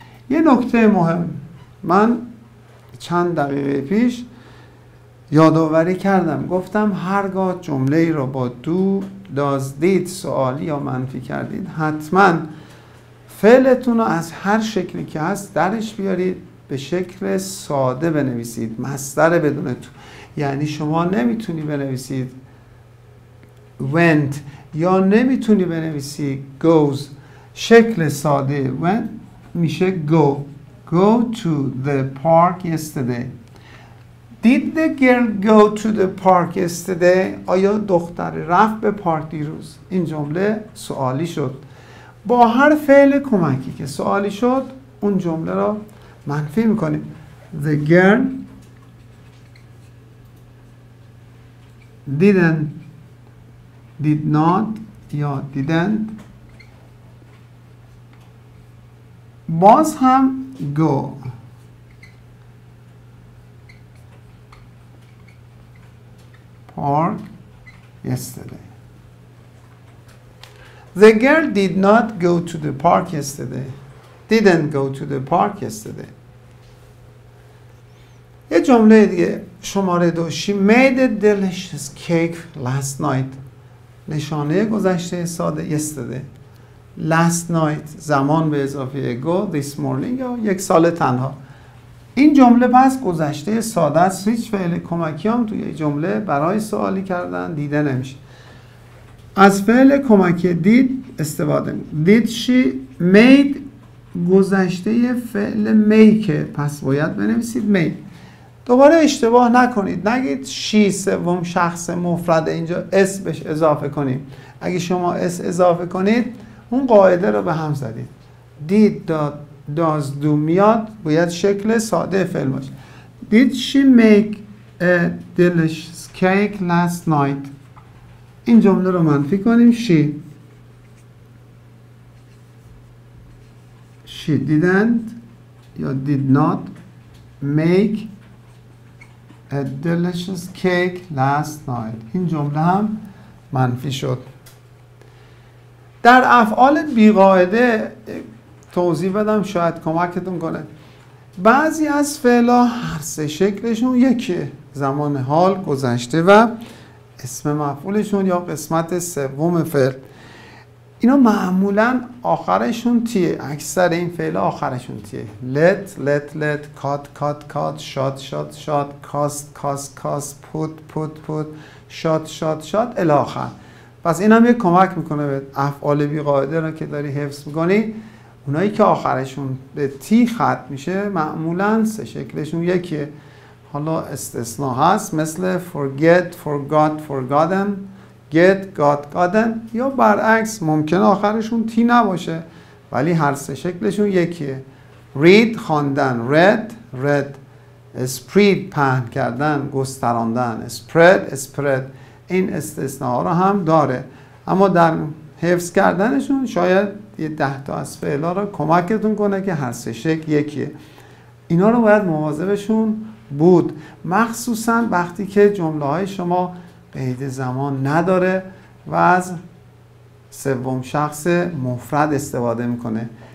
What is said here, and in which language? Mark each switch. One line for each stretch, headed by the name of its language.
Persian: یه نکته مهم، من چند دقیقه پیش یادآوری کردم، گفتم هرگاه جمله ای رو با do does did سوالی یا منفی کردید حتما فعلتون رو از هر شکلی که هست درش بیارید، به شکل ساده بنویسید، مصدر بدون تو. یعنی شما نمیتونی بنویسید went یا نمیتونی بنویسی goes. شکل ساده went میشه go.
English: Go to the park yesterday. Did the girl go to the park yesterday?
Persian: آیا دختر رفت به پارک دیروز؟ این جمله سوالی شد. با هر فعل کمکی که سوالی شد اون جمله را منفی میکنیم.
English: The girl didn't, did not یا didn't.
Persian: باز هم go.
English: Park yesterday. The girl did not go to the park yesterday. Didn't go to the park yesterday.
Persian: یه جمله دیگه شماره دو.
English: She made a delicious cake last night.
Persian: نشانه گذشته ساده yesterday. Last night زمان به اضافه ago this morning یا یک سال تنها. این جمله پس گذشته ساده است. هیچ فعل کمکی هم توی جمله برای سوالی کردن دیده نمیشه. از فعل کمکی did استفاده می‌کنیم.
English: Did she made
Persian: گذشته فعل make، پس باید بنویسید made. دوباره اشتباه نکنید، نگید شی سوم شخص مفرد، اینجا اس بهش اضافه کنید. اگه شما اس اضافه کنید اون قاعده رو به هم زدید. Did does do میاد باید شکل ساده فعل باشه.
English: Did she make a delicious cake last night؟ این جمله رو منفی کنیم. She didn't یا did not make a delicious cake last night.
Persian: این جمله هم منفی شد. در افعال بی‌قاعده توضیح بدم شاید کمکتون کنه. بعضی از فعلا هر سه شکلشون یکی، زمان حال، گذشته و اسم مفعولشون یا قسمت سوم فعل. اینا معمولا آخرشون تیه، اکثر این فعلا آخرشون تیه.
English: let let let، cut cut cut، shot shot shot، cast cast cast، put put put، shot shot shot الی آخر.
Persian: پس این هم یک کمک میکنه به افعال بی قاعده را که داری حفظ میکنی. اونایی که آخرشون به تی ختم میشه معمولا سه شکلشون یکیه. حالا استثناء هست، مثل
English: forget forgot forgotten، get got gotten،
Persian: یا برعکس ممکن آخرشون تی نباشه ولی هر سه شکلشون یکیه.
English: read خواندن، read read. spread پهن کردن، گستراندن، spread spread.
Persian: این استثناء ها رو هم داره اما در حفظ کردنشون شاید یه 10 تا از فعلا رو کمکتون کنه که هر سه شکل یکیه. اینا رو باید مواظبشون بود، مخصوصا وقتی که جمله های شما بعید زمان نداره و از سوم شخص مفرد استفاده میکنه.